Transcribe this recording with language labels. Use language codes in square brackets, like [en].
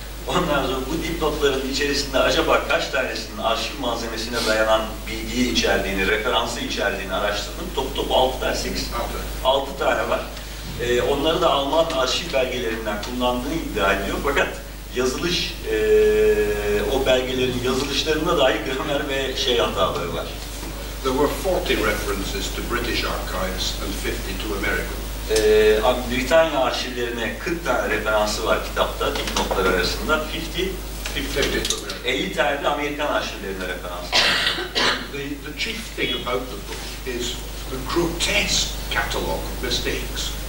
[tr] Ondan sonra bu dipnotların içerisinde acaba kaç tanesinin arşiv malzemesine dayanan bilgiyi içerdiğini, referansı içerdiğini araştırdım. Top 6-8. 6 tane var. Onları da Alman arşiv belgelerinden kullandığını iddia ediyor. Fakat yazılış, o belgelerin yazılışlarına dair gramer ve şey hataları var. [en] There were 40 references to British archives and 50 to American. [tr] Britanya arşivlerine 40 tane referansı var kitapta, dipnotlar arasında. 50 tane de Amerikan arşivlerine referansı var. [en] The chief thing about the book is the grotesque catalog of mistakes.